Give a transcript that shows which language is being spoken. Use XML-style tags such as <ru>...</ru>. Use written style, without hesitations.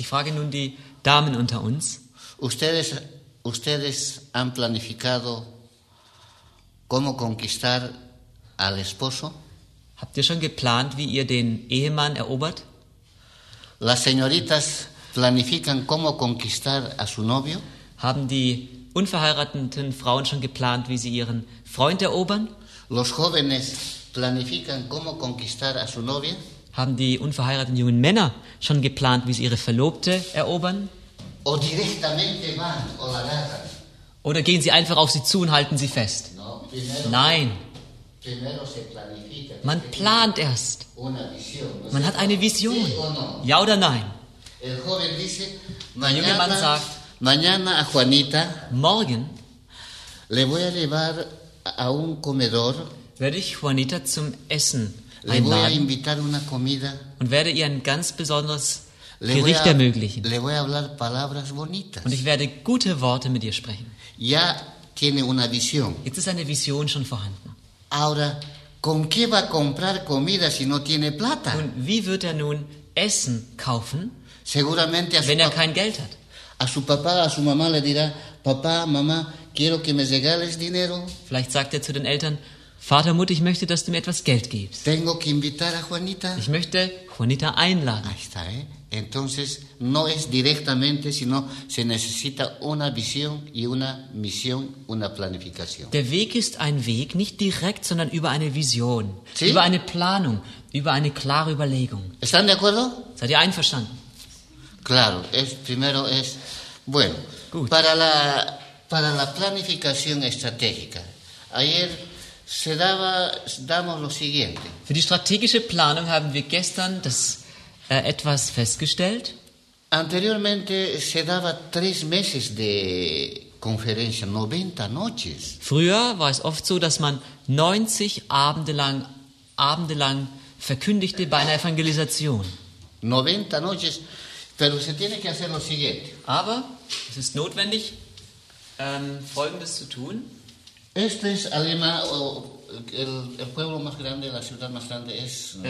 <de>Ich frage nun die Damen unter uns.</de> <es>Ustedes han planificado cómo conquistar al esposo?</es> <de>Habt ihr schon geplant, wie ihr den Ehemann erobert?</de> <es>Las señoritas planifican cómo conquistar a su novio?</es> <de>Haben die unverheirateten Frauen schon geplant, wie sie ihren Freund erobern?</de> <es>Los jóvenes planifican cómo conquistar a su novia?</es> <de>Haben die unverheirateten jungen Männer schon geplant, wie sie ihre Verlobte erobern?</de> <es>O directamente van, o la agarran.</es> <de>Oder gehen sie einfach auf sie zu und halten sie fest? Nein.</de> <es>Primero se planifica.</es> <de>Man plant erst.</de> <es>Una visión.</es> <de>Man hat eine Vision.</de> <es>Sí o no?</es> <de>Ja oder nein?</de> <es>El joven dice,</es> <de>der junge Mann sagt,</de> <es>mañana a Juanita,</es> <de>morgen</de> <es>le voy a llevar a un comedor,</es> <de>werde ich Juanita zum Essen</de> <es>le voy a invitar una comida,</es> <de>und werde ihr ein ganz besonderes Gericht ermöglichen.</de> <es>Le voy a hablar palabras bonitas.</es> <de>Und ich werde gute Worte mit ihr sprechen.</de> <es>Ya tiene una visión.</es> <de>Jetzt ist eine Vision schon vorhanden.</de> <es>Ahora, ¿con qué va a comprar comida si no tiene plata?</es> <de>Und wie wird er nun Essen kaufen,</de> <es>seguramente</es> <de>wenn er kein Geld hat?</de> <es>A su papá, a su mamá le dirá, papá, mamá, quiero que me regales dinero.</es> <de>Vielleicht sagt er zu den Eltern, Vater, Mutter, ich möchte, dass du mir etwas Geld gibst.</de> <es>Tengo que invitar a Juanita.</es> <de>Ich möchte Juanita einladen.</de> <es>Ahí está, ¿eh? Entonces no es directamente, sino se necesita una visión y una misión, una planificación.</es> <de>Der Weg ist ein Weg, nicht direkt, sondern über eine Vision, ¿sí? Über eine Planung, über eine klare Überlegung.</de> <es>¿Están de acuerdo?</es> <de>Seid ihr einverstanden?</de> <es>Claro, es primero es bueno.</es> <de>Gut.</de> <es>Para la planificación estratégica. Ayer se daba damos lo siguiente.</es> <de>Für die strategische Planung haben wir gestern das etwas festgestellt.</de> <es>Anteriormente se daba tres meses de conferencia, 90 noches.</es> <de>Früher war es oft so, dass man 90 Abende lang verkündigte bei einer Evangelisation.</de> <es>90 noches, pero se tiene que hacer lo siguiente.</es> <de>Aber es ist notwendig, Folgendes zu tun.</de> <es>Este es alemán, el pueblo más grande, la ciudad más grande es</es>